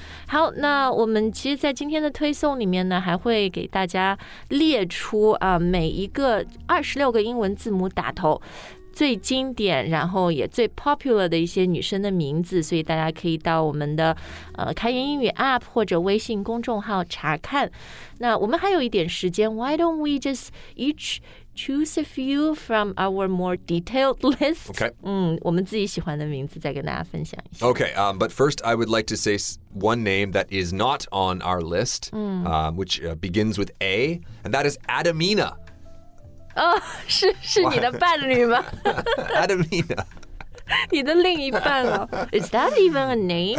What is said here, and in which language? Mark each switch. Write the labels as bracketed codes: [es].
[zh] 好，那我们其实在今天的推送里面呢还会给大家列出、每一个26个英文字母打头最经典然后也最 popular 的一些女生的名字，所以大家可以到我们的、开言英语 APP 或者微信公众号查看。那我们还有一点时间， [en] Why don't we just each choose a few from our more detailed list? Okay. [zh] 我们自己喜欢的名字再跟大家分享一下。 [en] Okay, but first I would like to say one name that is not on our list, which begins with A, and that is Adamina. [zh] Oh, 是你的伴侣吗? [en] Adamina. [zh] 你的另一半哦。 [en] Is that even a name?